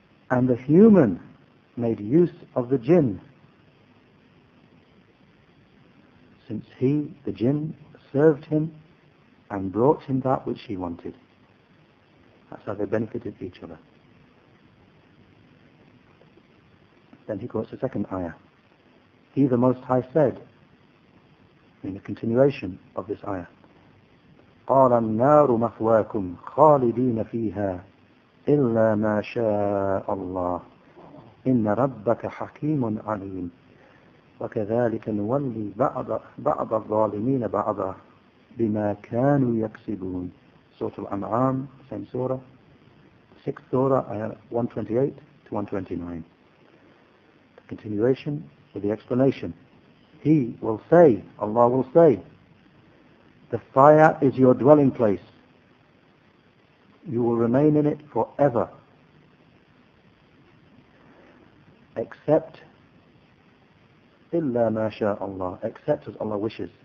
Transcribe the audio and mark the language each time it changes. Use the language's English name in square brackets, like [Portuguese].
[English] And the human made use of the jinn, since he, the jinn, served him and brought him that which he wanted. That's how they benefited each other. Then he quotes the second ayah. He the Most High said, in the continuation of this ayah, [Arabic] قَالَ النَّارُ مَثْوَاكُمْ خَالِدِينَ فِيهَا إِلَّا مَا شَاءَ اللَّهِ إِنَّ رَبَّكَ حَكِيمٌ عَلِيمٌ وَكَذَلِكَ نُوَلِّي بَعْضَ الظَّالِمِينَ بَعْضًا بِمَا كَانُوا يَكْسِبُونَ [English] Surah Al-An'am, same surah, 6th surah, ayah 128 to 129. Continuation with the explanation. He will say, Allah will say, the fire is your dwelling place. You will remain in it forever. Except, [Arabic] إِلَّا مَا شَاءَ اللَّهُ, [English] except as Allah wishes.